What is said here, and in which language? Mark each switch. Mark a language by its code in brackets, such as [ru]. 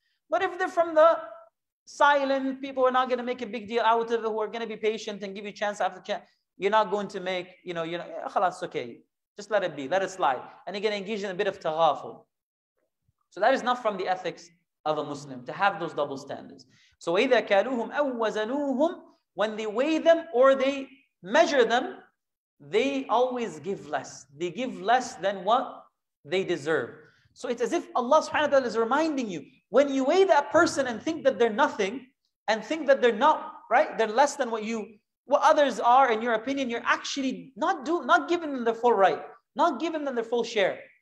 [en] But if they're from the silent people who are not going to make a big deal out of it, who are going to be patient and give you chance after chance, you're not going to make, you know, khalas, okay. Just let it be, let it slide. And you're going to engage in a bit of taghaful. So that is not from the ethics of a Muslim, to have those double standards. So either [ar] كَالُوهُمْ أَوْ وَزَنُوهُمْ. [en] When they weigh them or they measure them, they always give less. They give less than what they deserve. So it's as if Allah subhanahu wa ta'ala is reminding you, when you weigh that person and think that they're nothing, and think that they're not, right? They're less than what others are in your opinion, you're actually not giving them their full right, not giving them their full share.